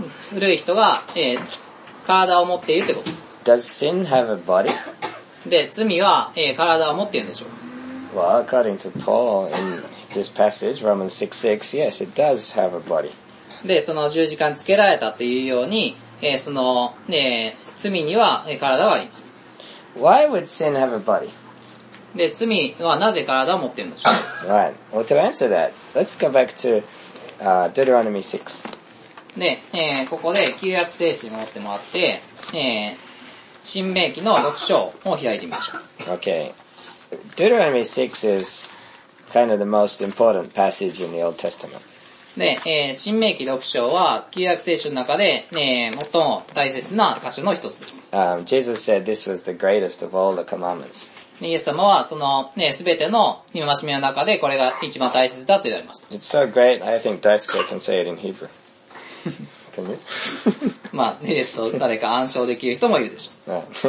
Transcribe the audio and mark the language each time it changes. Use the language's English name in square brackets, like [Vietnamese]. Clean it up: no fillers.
[Japanese] 古い人が、体を持っているってことです。 [English] Does sin have a body? [Japanese] で、罪は、体を持っているんでしょうか。 [English] Well, according to Paul in this passage, Romans 6:6, yes, it does have a body. [Japanese] で、その十字架につけられたというように、その、罪には、体があります。 [English] Why would sin have a body? [Japanese] で、罪はなぜ体を持っているんでしょうか。 [English] Right. Well, to answer that, let's go back to, Deuteronomy 6. [Japanese] で、ここで旧約聖書に戻ってもらって、申命記の6章を開いてみましょう。 [English] Okay. Deuteronomy 6 is kind of the most important passage in the Old Testament. [Japanese] で、申命記6章は旧約聖書の中で、最も大切な箇所の一つです。 [English] Jesus said this was the greatest of all the commandments. [Japanese] イエス様はその、すべての戒めの中でこれが一番大切だと言われました。 [English] It's so great, I think Daisuke can say it in Hebrew. Can you? [Japanese] まあ、誰か暗唱できる人もいるでしょう。